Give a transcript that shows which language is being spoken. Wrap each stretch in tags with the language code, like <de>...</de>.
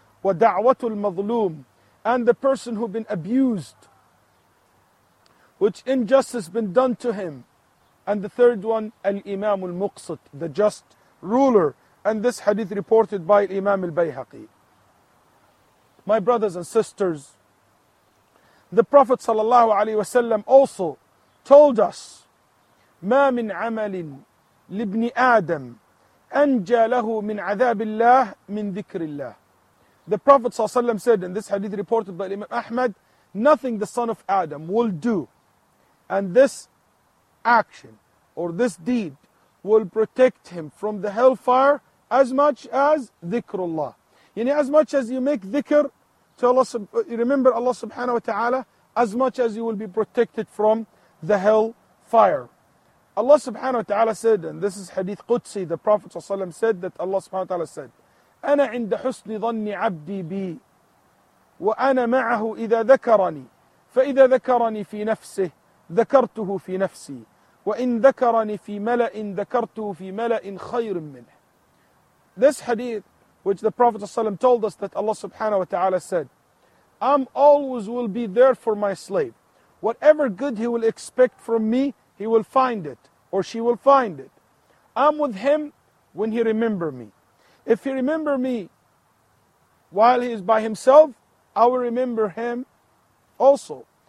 <ar>وَدَعْوَةُ الْمَظْلُومِ.</ar> <en>And the person who been abused, which injustice been done to him. And the third one,</en> <ar>الإمام المقصد,</ar> <en>the just ruler. And this hadith reported by Imam al-Bayhaqi. My brothers and sisters, the Prophet sallallahu alayhi wasallam also told us,</en> <ar>مَا مِنْ عَمَلٍ لِبْنِ آدَمٍ أَنْجَى لَهُ مِنْ عَذَابِ اللَّهِ مِنْ ذِكْرِ اللَّهِ.</ar> <en>The Prophet sallallahu alayhi wasallam said, and this hadith reported by Imam Ahmad, nothing the son of Adam will do, and this action or this deed will protect him from the hellfire as much as dhikrullah. Yani as much as you make dhikr to Allah, you remember Allah subhanahu wa ta'ala, as much as you will be protected from the hell fire. Allah subhanahu wa ta'ala said,</en> <ar>and this is hadith Qudsi, the Prophet ﷺ said that Allah subhanahu wa ta'ala said, أنا عند حسن ظن عبدي بي وأنا معه إذا ذكرني فإذا ذكرني في نفسه ذكرته في نفسي وإن ذكرني في ملأ ذكرته في ملأ خير منه.</ar> <en>This hadith, which the Prophet ﷺ told us that Allah subhanahu wa ta'ala said, I'm always will be there for my slave. Whatever good he will expect from me, he will find it, or she will find it. I'm with him when he remember me. If he remember me while he is by himself, I will remember him also.</en>